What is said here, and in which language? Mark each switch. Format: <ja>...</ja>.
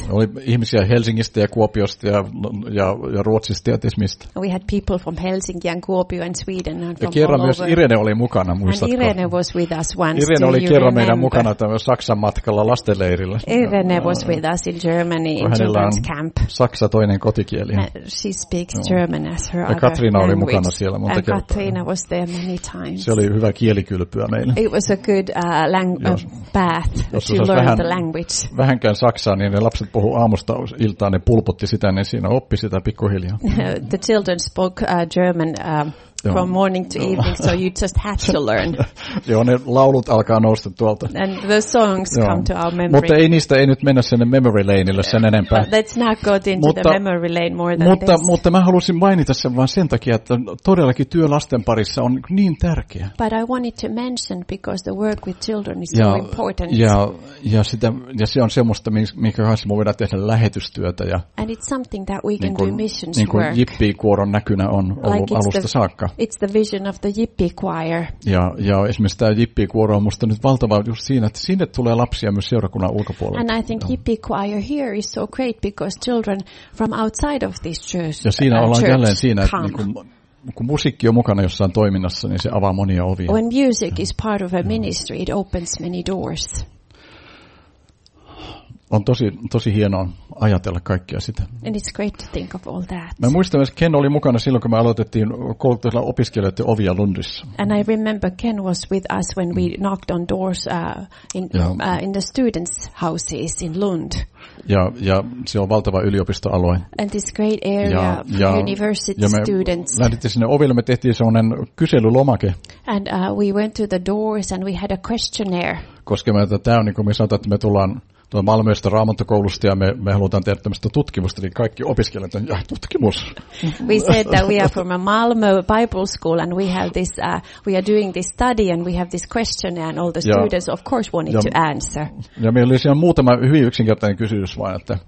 <fi>Oli ihmisiä Helsingistä ja Kuopiosta ja Ruotsista ja mistä.</fi> <en>We had people from Helsinki and Kuopio and Sweden and from all over.</en> <fi>Kerran myös Irene oli mukana, muistatko?</fi> <en>And Irene was with us once.</en> <fi>Irene oli kerran meidän mukana tämmöisen Saksan matkalla lastenleirillä.</fi> <en>Irene was with us in Germany in children's camp.</en> <fi>Saksa toinen kotikieli.</fi> <en>She speaks German as her</en> <fi>ja Katriina oli mukana siellä monta kertaa.</fi> <en>Katriina was there many times.</en> <fi>Se oli hyvä kielikylpyä meille.</fi> <en>It was a good path to learn the language.</en> <fi>Vähänkään saksaa, niin ne lapset puhuu aamusta iltaan, ne pulpotti sitä, ne siinä oppi sitä pikkuhiljaa.</fi> <en>The children spoke German from morning to evening, so you just had to learn.</en> <fi>Joo, ne laulut alkaa nousta tuolta.</fi> <en>And the songs come to our memory.</en> <fi>Mutta ei niistä ei nyt mennä sinne memory laneille sen enempää.</fi> <en>But let's not go into the memory lane more than</en> <fi>mutta,</fi> <en>this.</en> <fi>Mutta mä halusin mainita sen vaan sen takia, että todellakin työ lasten parissa on niin tärkeä.</fi> <en>But I wanted to mention because the work with children is</en> <fi>ja,</fi> <en>so important.</en> <fi>Ja, sitä, ja se on semmoista, minkä kanssa me voidaan tehdä lähetystyötä. Ja,</fi> <en>and it's something that we can</en> <fi>niin kuin,</fi> <en>do missions work.</en> <fi>Niin kuin jippikuoron näkynä on ollut like alusta saakka.</fi> <en>It's the vision of the Yippie Choir.</en> <fi>Ja esimerkiksi tämä Yippie Kuoro on musta nyt valtava just siinä, että sinne tulee lapsia myös seurakunnan ulkopuolelta.</fi> <en>And I think Yippie Choir here is so great because children from outside of this church come.</en> <fi>Ja siinä ollaan jälleen siinä, että niin kun musiikki on mukana jossain toiminnassa, niin se avaa monia ovia.</fi> <en>When music is part of a ministry, it opens many doors.</en> <fi>On tosi hienoa ajatella kaikkea sitä.</fi> <en>And it's great to think of all that.</en> <fi>Mä muistan, että Ken oli mukana silloin, kun me aloitettiin koulutuksella opiskelijoiden ovia Lundissa.</fi> <en>And I remember Ken was with us when we knocked on doors in the students' houses in Lund.</en> <fi>Ja se on valtava yliopistoalue.</fi> <en>And this great area for university students.</en> <fi>Ja me lähdettiin sinne oville, me tehtiin semmoinen kyselylomake.</fi> <en>And we went to the doors and we had a questionnaire.</en> <fi>Koska me tämä on niin kuin me sanotaan, että me tullaan Malmöstä Raamattokoulusta ja me halutaan tehdä tämmöistä tutkimusta, niin kaikki opiskelijat on, tutkimus.</fi> <en>We said that we are from a Malmö Bible school and we have this, we are doing this study and we have this questionnaire and all the students of course wanted to answer.</en> <fi>Ja meillä oli siellä muutama hyvin yksinkertainen kysymys vain, että</fi>